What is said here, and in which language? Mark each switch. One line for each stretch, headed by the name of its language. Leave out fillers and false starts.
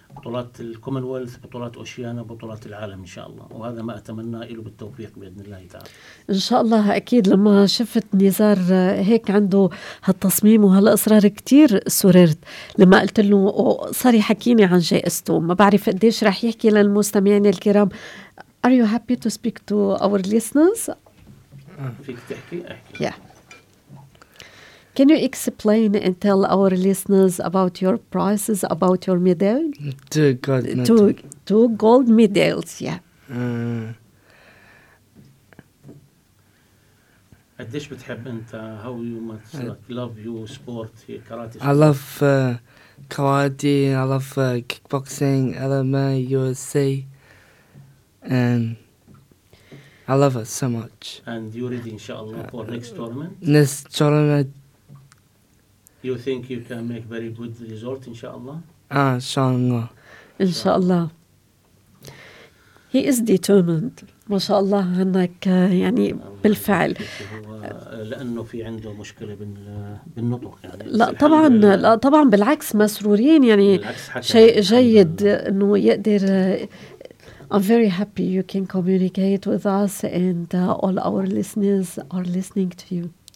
Arabic: بطولات الكومنولث بطولات أوشيانا بطولات العالم إن شاء الله وهذا ما أتمنى إله بالتوفيق بإذن الله تعالى إن شاء الله. أكيد لما شفت نزار هيك عنده هالتصميم وهالإصرار كتير سررت لما قلت له وصار يحكيني عن جائزته. ما بعرف قديش رح يحكي للمستمعين الكرام.
English: Are you happy to speak to our listeners؟
Arabic: فيك تحكي أحكي
English: yeah. Can you explain and tell our listeners about your prizes, about your medal? Two gold medals, yeah.
Arabic: قديش بتحب انت,
English: how you much like, love your sport, karate? I love karate, I love kickboxing, MMA, UFC, and I love it so much. And you ready, inshallah, for next tournament? Next tournament. You think you can make very good result, inshallah? Inshallah. Inshallah. He is determined.
Arabic: Mashallah, عندك يعني بالفعل. لأنه في عنده مشكلة بالنطق يعني. لا طبعا بالعكس مسرورين يعني شيء جيد إنه يقدر.
English: I'm very happy you can communicate with us and all our listeners are listening to you.